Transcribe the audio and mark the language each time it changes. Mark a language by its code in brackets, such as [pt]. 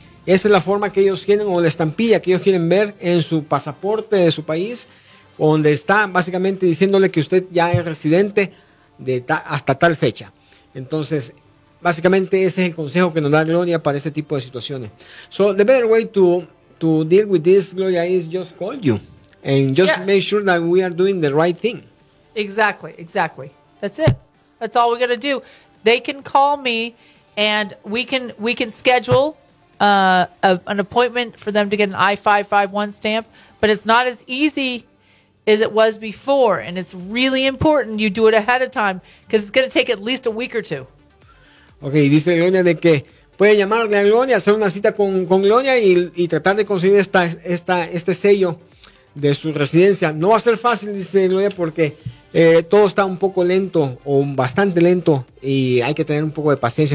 [es] Esa es la forma que ellos quieren o la estampilla que ellos quieren ver en su pasaporte de su país, donde está básicamente diciéndole que usted ya es residente hasta tal fecha. Entonces, básicamente ese es el consejo que nos da Gloria para este tipo de situaciones. [en] So, the better way to deal with this, Gloria, is just call you. And just make sure that we are doing the right thing. Exactly, exactly. That's it. That's all we got to do. They can call me and we can schedule an appointment for them to get an I-551 stamp, but it's not as easy as it was before, and it's really important you do it ahead of time because it's going to take at least a week or two. [es] Okay, dice Gloria de que puede llamarle a Gloria, hacer una cita con Gloria y tratar de conseguir este sello de su residencia. No va a ser fácil, dice Gloria, porque todo está un poco lento o bastante lento y hay que tener un poco de paciencia.